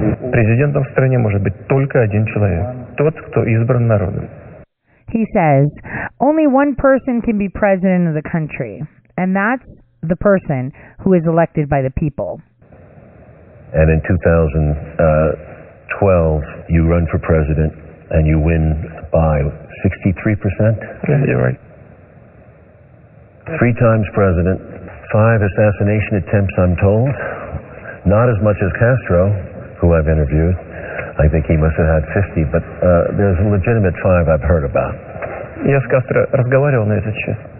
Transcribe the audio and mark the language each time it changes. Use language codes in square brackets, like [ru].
[ru] Президентом в стране может быть только один человек. Тот, кто избран народом. [en] He says, only one person can be president of the country, and that's the person who is elected by the people. And in 2012, you run for president, and you win by 63%? Yeah, you're right. Three times president, five assassination attempts, I'm told. Not as much as Castro, who I've interviewed. I think he must have had 50, but there's a legitimate five I've heard about. [ru] Я с Кастро разговаривал на этот счет.